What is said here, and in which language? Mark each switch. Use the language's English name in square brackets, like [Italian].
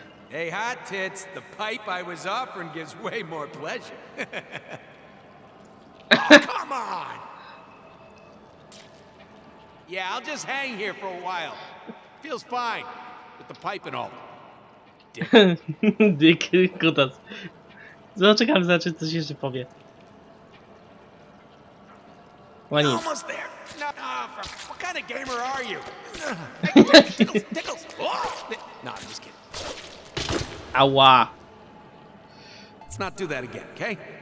[English] Hey, hot tits, the pipe I was offering gives way more pleasure. Oh, come on! Yeah, I'll just hang here for a while. Feels fine with the pipe and all. Dick. Dick, [Polish] kutas. Zaczekam, zobaczyć, co się jeszcze powie. [English] One almost there. No, what kind of gamer are you? Hey, tickles, tickles. Oh! No, I'm just kidding. Awa. Let's not do that again, okay?